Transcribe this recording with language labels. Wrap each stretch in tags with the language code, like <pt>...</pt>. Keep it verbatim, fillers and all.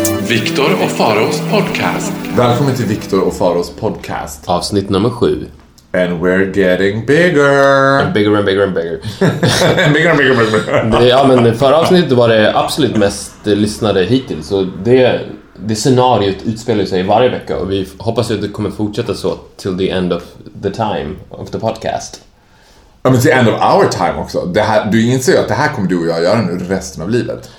<sv>Victor och Pharaohs podcast. Välkommen till Victor och Pharaohs podcast. Avsnitt nummer sju.</sv> <en>And we're getting bigger. And bigger and bigger and bigger. and bigger and bigger and bigger.</en> <sv>Det, ja, men förra avsnittet var det absolut mest lyssnade hittills. Så det, det scenariot utspelar sig varje vecka. Och vi hoppas att det kommer fortsätta så till</sv> <en>the end of the time of the podcast.</en> <sv>Ja, men till</sv> <en>end of our time</en> <sv>också. Det här, du inser ju att det här kommer du och jag göra nu resten av livet.</sv>